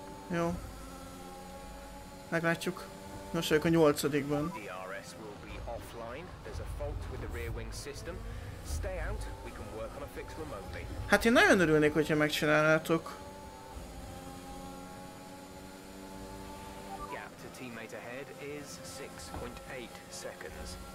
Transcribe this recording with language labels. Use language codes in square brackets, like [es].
[hu] Jó. Meglátjuk. Most vagyok a nyolcadikban. [en] DRS will be offline. There's a fault with the rear wing system. Stay out, we can work on a fix remotely. [hu] Hát én nagyon örülnék, hogyha megcsinálnátok. [en] Gap to teammate ahead is 6.8 seconds.